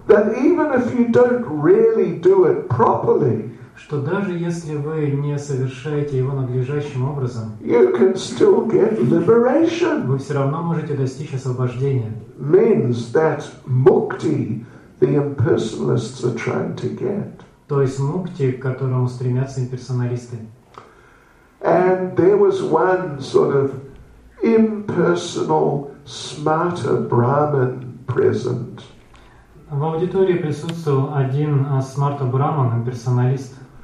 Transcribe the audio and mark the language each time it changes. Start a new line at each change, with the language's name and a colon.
English: That even if you don't really do it properly,
Russian: что даже если вы не совершаете его надлежащим образом,
English: you can still get liberation.
Russian: Вы все равно можете достичь освобождения.
English: Means that mukti, the impersonalists are trying to get.
Russian: То есть мукти, к которому стремятся имперсоналисты.
English: And there was one sort of impersonal, smarter Brahmin present.
Russian: В аудитории присутствовал один смарта Брахман, имперсоналист.